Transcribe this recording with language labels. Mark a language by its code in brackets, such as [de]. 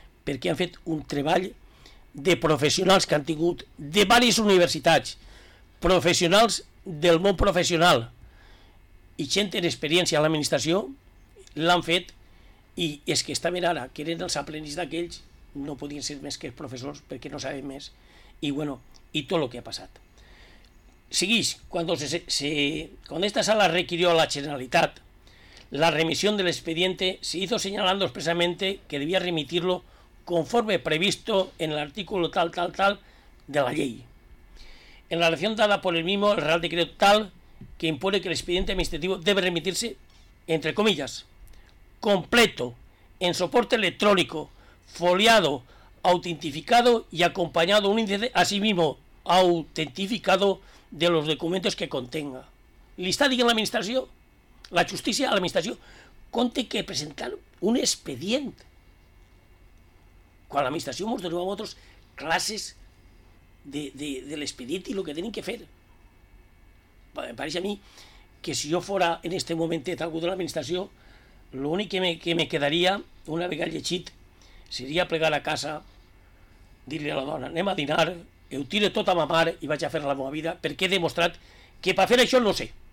[ca] Perquè han fet un treball de professionals que han tingut de diverses universitats, professionals del món professional i gent en experiència a l'administració, l'han fet. I és que estaven ara, que eren els aprenents d'aquells, no podien ser més que els professors perquè no saben més. I bueno, i tot el que ha passat. Seguix, quan [es] esta sala requirió a la Generalitat [ca] la remissió de l'expediente, [es] se hizo señalando expresamente que debía remitirlo conforme previsto en el artículo tal, tal, tal [ca] de la llei. [es] En la relación dada por el mismo, el Real Decreto tal que impone que el expediente administrativo debe remitirse, entre comillas, completo, en soporte electrónico, foliado, autentificado y acompañado un índice, asimismo autentificado, de los documentos que contenga. [ca] Li està dient l'administració, la justícia a l'administració, com té que presentar un expedient. Quan l'administració ens donem a nosaltres classes de l'expedient i el que tenen que fer. Em pareix a mi que si jo fora en este moment algú de l'administració, l'únic que me quedaria, una vegada llegit, seria plegar a casa, dir-li a la dona, anem a dinar, ho tiro tot a ma mare i vaig a fer la meva vida, perquè he demostrat que per fer això no sé.